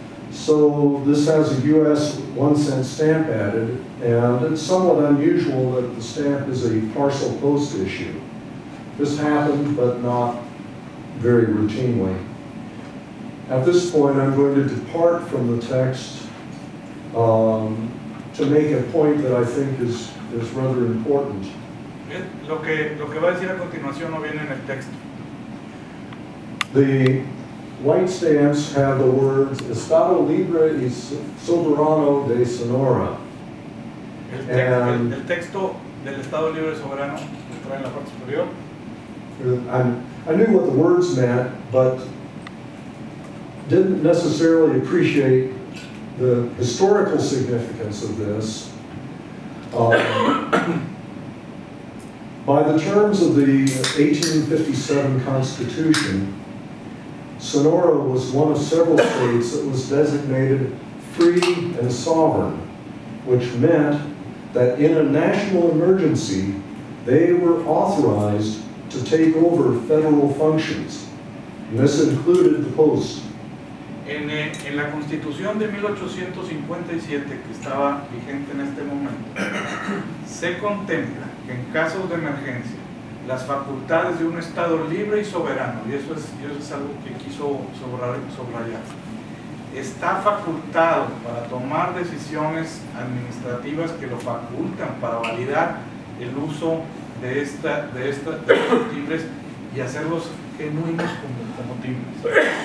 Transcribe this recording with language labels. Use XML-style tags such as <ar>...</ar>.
<en>So this has a U.S. 1-cent stamp added, and it's somewhat unusual that the stamp is a parcel post issue. This happened, but not very routinely. At this point, I'm going to depart from the text to make a point that I think is rather important.</en> <es>Lo que va a decir a continuación no viene en el texto.</es> <en>The white stamps have the words Estado Libre y Soberano de Sonora.</en> <es>El texto del Estado Libre Soberano está en la parte superior.</es> <en>I knew what the words meant, but didn't necessarily appreciate the historical significance of this. By the terms of the 1857 Constitution, Sonora was one of several states that was designated free and sovereign, which meant that in a national emergency, they were authorized to take over federal functions. And this included the post.</en> <es>En la Constitución de 1857, que estaba vigente en este momento, se contempla que en casos de emergencia, las facultades de un Estado libre y soberano, y eso es algo que quiso subrayar, está facultado para tomar decisiones administrativas que lo facultan para validar el uso de estos timbres y hacerlos genuinos como timbres.</es>